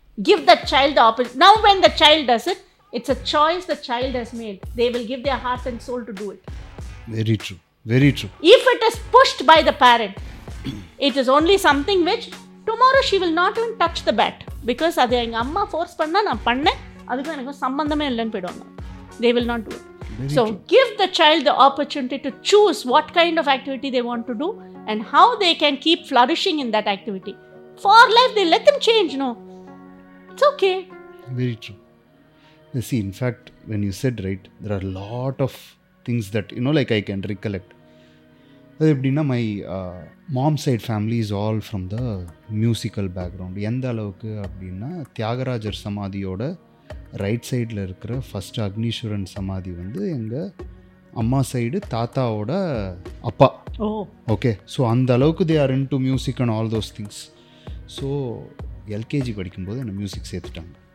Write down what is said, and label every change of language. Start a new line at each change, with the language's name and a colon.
English: Give the child ஆப்பர்ச்சு. Now when the child does it, it's a choice the child has made, they will give their heart and soul to do it. Very true, very true. If it is pushed by the parent, it is only something which tomorrow she will not இவன் touch the bat, because
Tamil: அது எங்கள் அம்மா force பண்ணால் நான் பண்ணேன், அதுக்கும் எனக்கு சம்மந்தமே இல்லைன்னு போயிடுவாங்க.
English: They will not do it. So give the child the opportunity to choose what kind of activity they want to do and how they can keep flourishing in that activity. For life, they let them change, no? It's okay. Very true. You see, in fact, when you said, right, there are a lot of things that, you know, like I can recollect. My mom's side family is all from the musical background. What is it?
Tamil: Thyagarajar Samadhi's right சைடில் இருக்கிற first Agneeswaran சமாதி வந்து எங்கள் அம்மா side தாத்தாவோட அப்பா.
English: okay,
Tamil: so அந்த அளவுக்கு
English: They are into music and all those things. So
Tamil: LKG படிக்கும்போது என்னை மியூசிக் சேர்த்துட்டாங்க.